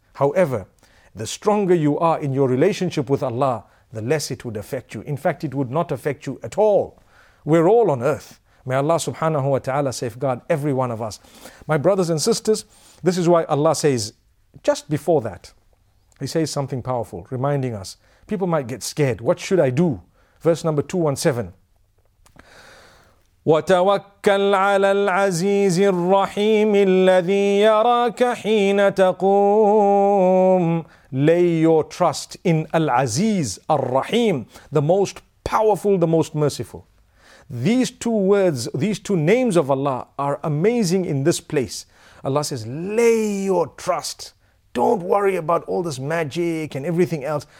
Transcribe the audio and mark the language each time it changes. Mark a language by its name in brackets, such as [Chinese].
[English] However, the stronger you are in your relationship with Allah, the less it would affect you. In fact, it would not affect you at all. We're all on earth. May Allah subhanahu wa ta'ala safeguard every one of us. My brothers and sisters, this is why Allah says, just before that, He says something powerful, reminding us. People might get scared. What should I do? Verse number 217. [Arabic] وتوكل على العزيز الرحيم الذي يراك حين تقوم. [English] Lay your trust in Al-Aziz Ar-Rahim, the most powerful, the most merciful. These two words, these two names of Allah are amazing in this place. Allah says, lay your trust. Don't worry about all this magic and everything else.